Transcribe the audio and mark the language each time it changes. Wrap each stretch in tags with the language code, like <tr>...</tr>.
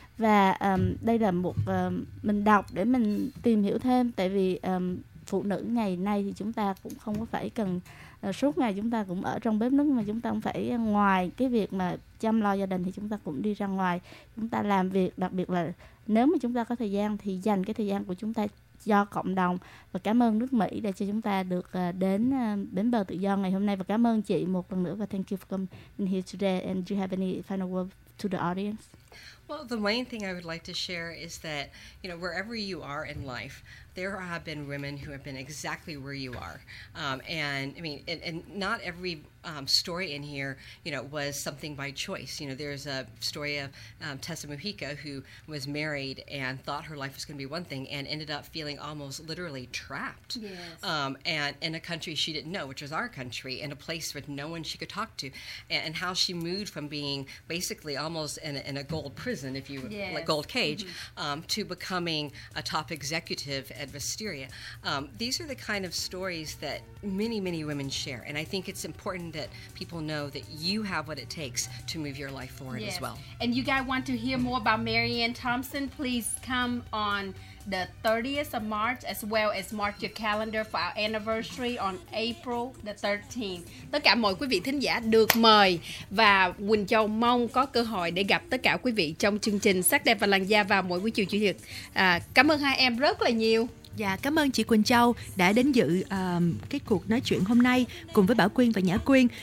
<vi>Và đây là một mình đọc để mình tìm hiểu thêm, tại vì phụ nữ ngày nay thì chúng ta cũng không có phải cần suốt ngày chúng ta cũng ở trong bếp nước, mà chúng ta cũng phải ngoài cái việc mà chăm lo gia đình thì chúng ta cũng đi ra ngoài, chúng ta làm việc, đặc biệt là nếu mà chúng ta có thời gian thì dành cái thời gian của chúng ta cho cộng đồng. Và cảm ơn nước Mỹ đã cho chúng ta được đến bến bờ tự do ngày hôm nay. Và cảm ơn chị một lần nữa. Và</vi> <en>thank you for coming here today. And do you have any final words to the audience? Well, the main thing I would like to share is that, you know, wherever you are in life, there have been women who have been exactly where you are. And I mean, and not every story in here, you know, was something by choice. You know, there's a story of Tessa Mujica, who was married and thought her life was going to be one thing and ended up feeling almost literally trapped. Yes. And in a country she didn't know, which was our country, in a place with no one she could talk to, and how she moved from being basically almost in a gold prison, if you would, yes, like gold cage, mm-hmm, to becoming a top executive at Vesteria. These are the kind of stories that many, many women share, and I think it's important that people know that you have what it takes to move your life forward, yes, as well. And you guys want to hear more about Marianne Thompson, please come on the 30th of March, as well as mark your calendar for our anniversary on April the 13th.</en> <vi>Tất cả mọi quý vị thính giả được mời, và Quỳnh Châu mong có cơ hội để gặp tất cả quý vị trong chương trình Sắc Đẹp và Làn Da vào mỗi buổi chiều Chủ nhật. Cảm ơn hai em rất là nhiều. Dạ, cảm ơn chị Quỳnh Châu đã đến dự cái cuộc nói chuyện hôm nay cùng với Bảo Quyên và Nhã Quyên.</vi>